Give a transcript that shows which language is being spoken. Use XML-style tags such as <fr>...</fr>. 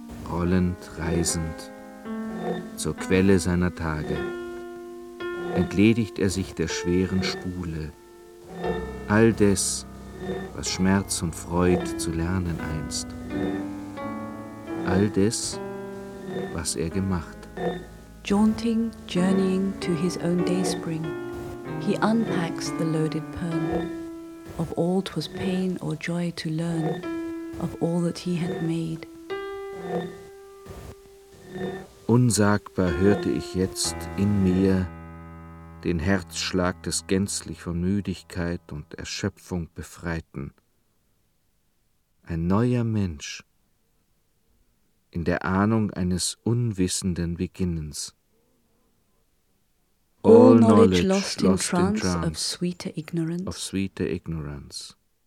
<de>Rollend, reisend, zur Quelle seiner Tage, entledigt er sich der schweren Spule, all des, was Schmerz und Freud zu lernen einst. All des, was er gemacht hat.</de> <en>jaunting, journeying to his own dayspring, he unpacks the loaded pern. Of all 'twas pain or joy to learn, of all that he had made.</en> <de>Unsagbar hörte ich jetzt in mir den Herzschlag des gänzlich von Müdigkeit und Erschöpfung Befreiten. Ein neuer Mensch in der Ahnung eines unwissenden Beginnens.</de> <en>All knowledge lost in trance of sweeter ignorance.</en>